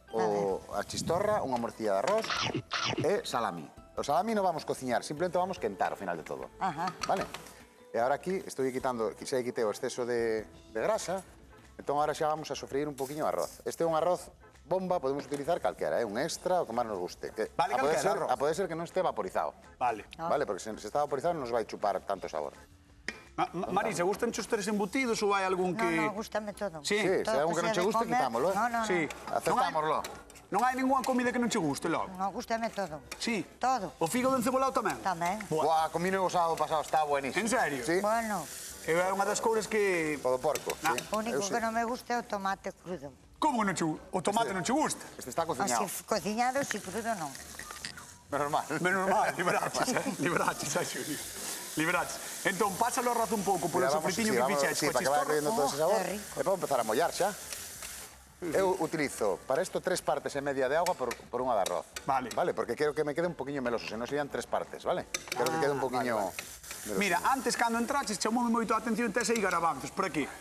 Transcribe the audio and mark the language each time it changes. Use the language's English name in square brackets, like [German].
[Galician] A chistorra, unha morcilla de arroz e salami. O salami non vamos cociñar, simplemente vamos quentar ao final de todo. Ajá. Vale? E agora aquí estou quitando, xa quitei o exceso de grasa, entón agora xa vamos a sofreír un poquinho o arroz. Este é un arroz bomba, podemos utilizar calquera, un extra, o que máis nos guste. Que, vale, calquera, arroz. A poder ser que non este vaporizado. Vale. Vale, porque se está vaporizado non nos vai chupar tanto sabor. Marisa, gustan os tres embutidos ou hai algún que... No, gustame todo. Sí, sí todo se hai algún que non che guste, quitámoslo. No. Aceptámoslo. Non hai ninguna comida que non che guste, logo. No, gustame todo. Sí. Todo. O fígado encebolado tamén? Tamén. Buah, comino o sábado pasado, está buenísimo. En serio? Sí. Bueno. É unha das cousas que... O do porco, nah. Sí. O único que non me gusta é o tomate crudo. Como non che gusta? O tomate non che gusta? Este está cociñado. Así, cociñado, si crudo, non. Menos mal, liberaches, liberaches, xa xo. Liberaches. Entón, pásalo arroz un pouco polo sofritiño que fixaxe. [Spanish] Sí, para que vaya cayendo todo ese sabor. [Galician] E vou empezar a mollar xa. Eu utilizo para isto tres partes e media de agua por unha de arroz. Vale. Vale, porque quero que me quede un poquinho meloso, senón serían tres partes, vale? Quero que quede un poquinho meloso. Mira, antes, cando entraxes, chamoume moito a atención e tes aí garabanzos, por aquí.